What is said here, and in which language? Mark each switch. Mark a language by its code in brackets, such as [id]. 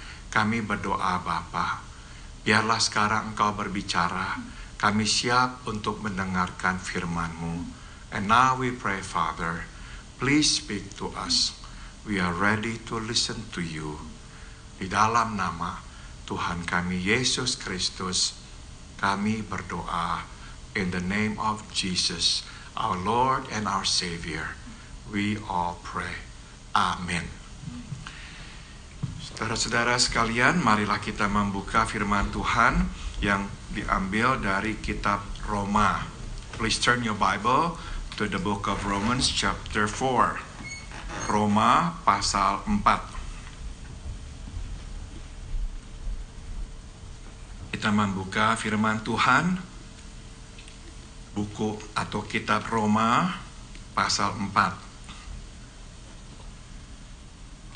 [id] kami berdoa Bapa, biarlah sekarang Engkau berbicara, kami siap untuk mendengarkan firman-Mu. [en] And now we pray, Father, please speak to us. We are ready to listen to you. [id] Di dalam nama Tuhan kami, Yesus Kristus, kami berdoa. [en] In the name of Jesus, our Lord and our Savior, we all pray. Amen. [id] Saudara-saudara sekalian, marilah kita membuka firman Tuhan yang diambil dari kitab Roma. [en] Please turn your Bible to the book of Romans chapter 4. [id] Roma pasal 4. Kita membuka firman Tuhan, buku atau kitab Roma pasal 4.